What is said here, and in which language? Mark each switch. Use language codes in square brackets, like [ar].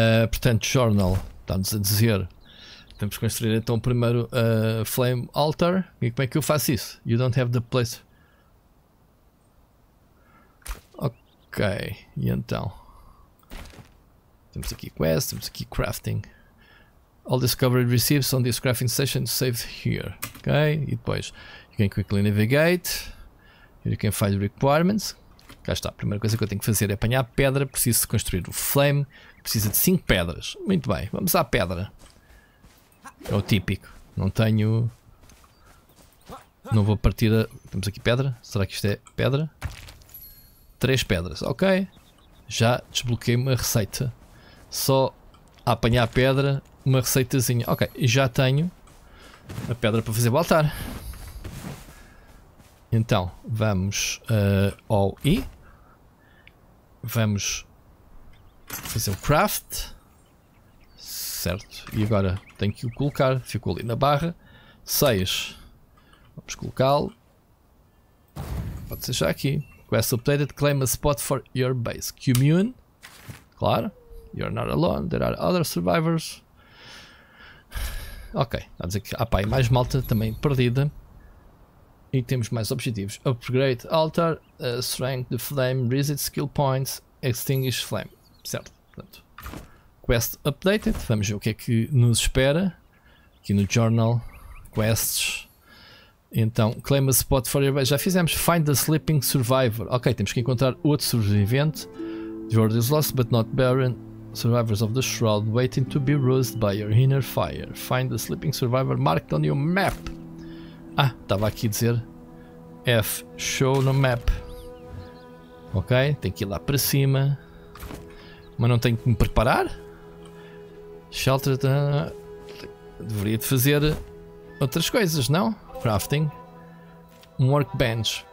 [pt] Portanto, Journal está-nos a dizer: temos que construir então o primeiro Flame Altar. E como é que eu faço isso? You don't have the place. Ok, e então? Temos aqui Quest, temos aqui Crafting. [en] All discovered receipts on this crafting station saved here. Ok, e depois you can quickly navigate. You can find requirements. [pt] Cá está, a primeira coisa que eu tenho que fazer é apanhar pedra. Preciso de construir o flame. Precisa de 5 pedras. Muito bem, vamos à pedra. É o típico. Não tenho. Não vou partir a. Temos aqui pedra? Será que isto é pedra? 3 pedras, ok. Já desbloqueei uma receita. Só a apanhar pedra, uma receitazinha. Ok, já tenho a pedra para fazer o altar. Então, vamos ao I. Vamos fazer o craft. Certo. E agora tenho que o colocar. Ficou ali na barra. 6. Vamos colocá-lo. Pode ser já aqui. Quest updated. [en] Claim a spot for your base. Commune. Claro. You're not alone. There are other survivors. Ok. [pt] Está a dizer que há mais malta também perdida. [en] E temos mais objetivos. Upgrade altar. Strength the flame. Resist skill points. Extinguish flame. Certo. Pronto. Quest updated. [pt] Vamos ver o que é que nos espera. Aqui no journal. Quests. [en] Então, claim a spot for your base. Já fizemos. Find the sleeping survivor. [pt] Ok, temos que encontrar outro sobrevivente. [en] The world is lost, but not barren. Survivors of the shroud waiting to be roused by your inner fire. Find the sleeping survivor marked on your map. [pt] Ah, estava aqui a dizer F, show no map. Ok, tenho que ir lá para cima. Mas não tenho que me preparar? Shelter. Deveria de fazer outras coisas, não? Crafting. Um workbench.